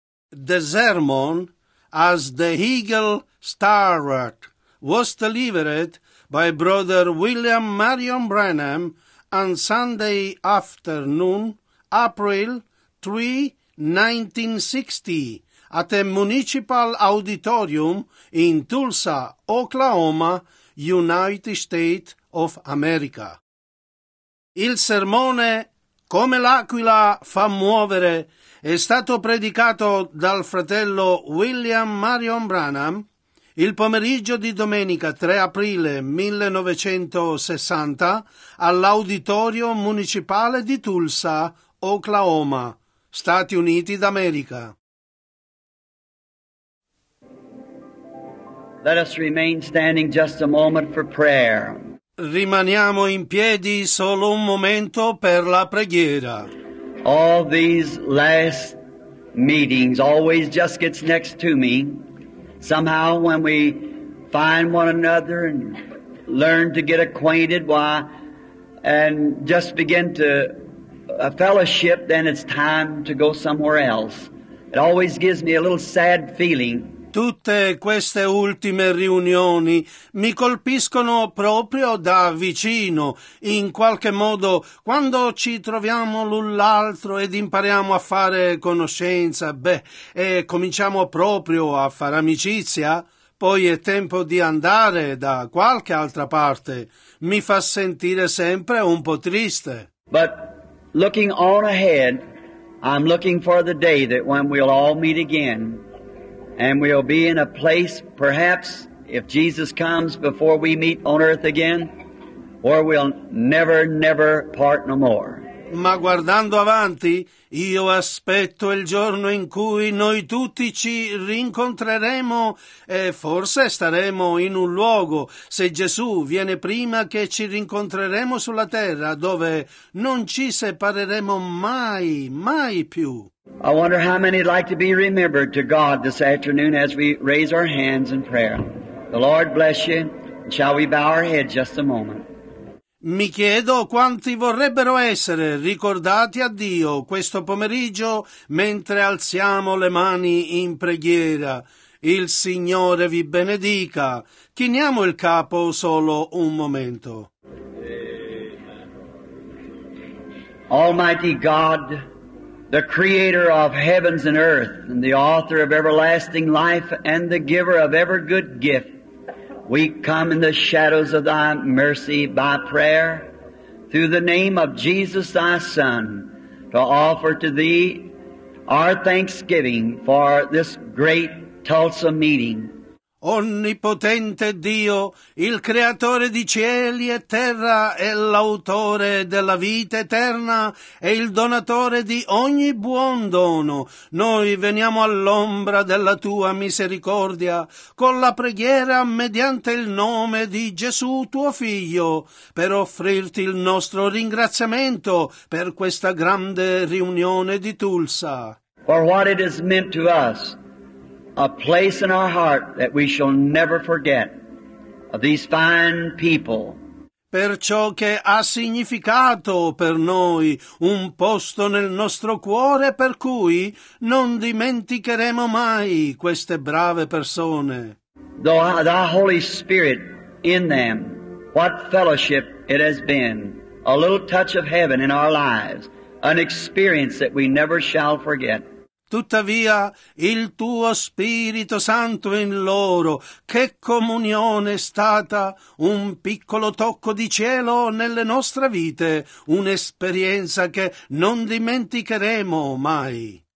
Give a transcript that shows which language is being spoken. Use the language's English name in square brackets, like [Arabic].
[English] the sermon as the Eagle Starwort was delivered by Brother William Marion Branham on Sunday afternoon, April 3, 1960, at a municipal auditorium in Tulsa, Oklahoma, United States of America. [Italian] Il sermone Come l'aquila fa muovere è stato predicato dal fratello William Marion Branham il pomeriggio di domenica 3 aprile 1960 all'Auditorio Municipale di Tulsa, Oklahoma, Stati Uniti d'America. [English] Let us remain standing just a moment for prayer. [Italian] Rimaniamo in piedi solo un momento per la preghiera. [English] All these last meetings always just gets next to me. Somehow when we find one another and learn to get acquainted, why, and just begin to a fellowship, then it's time to go somewhere else. It always gives me a little sad feeling. [Italian] Tutte queste ultime riunioni mi colpiscono proprio da vicino. In qualche modo, quando ci troviamo l'un l'altro ed impariamo a fare conoscenza, beh, e cominciamo proprio a far amicizia, poi è tempo di andare da qualche altra parte. Mi fa sentire sempre un po' triste. [English] But looking on ahead, I'm looking for the day that when we'll all meet again. And we'll be in a place, perhaps, if Jesus comes before we meet on earth again, or we'll never, never part no more. [Italian] Ma guardando avanti, io aspetto il giorno in cui noi tutti ci rincontreremo e forse staremo in un luogo, se Gesù viene prima che ci rincontreremo sulla terra, dove non ci separeremo mai, mai più. [English] I wonder how many would like to be remembered to God this afternoon as we raise our hands in prayer. The Lord bless you. Shall we bow our head just a moment? [Italian] Mi chiedo quanti vorrebbero essere ricordati a Dio questo pomeriggio mentre alziamo le mani in preghiera. Il Signore vi benedica. Chiniamo il capo solo un momento. [English] Almighty God, the creator of heavens and earth, and the author of everlasting life, and the giver of every good gift, we come in the shadows of thy mercy by prayer, through the name of Jesus thy Son, to offer to thee our thanksgiving for this great Tulsa meeting. [Italian] Onnipotente Dio, il creatore di cieli e terra e l'autore della vita eterna e il donatore di ogni buon dono, noi veniamo all'ombra della tua misericordia con la preghiera mediante il nome di Gesù tuo figlio per offrirti il nostro ringraziamento per questa grande riunione di Tulsa. [English] For what it is meant to us. A place in our heart that we shall never forget of these fine people. [Italian] Per ciò che ha significato per noi un posto nel nostro cuore per cui non dimenticheremo mai queste brave persone. [English] The Holy Spirit in them, what fellowship it has been. A little touch of heaven in our lives, an experience that we never shall forget. [Italian] Tuttavia, il tuo Spirito Santo in loro, che comunione è stata, un piccolo tocco di cielo nelle nostre vite, un'esperienza che non dimenticheremo mai.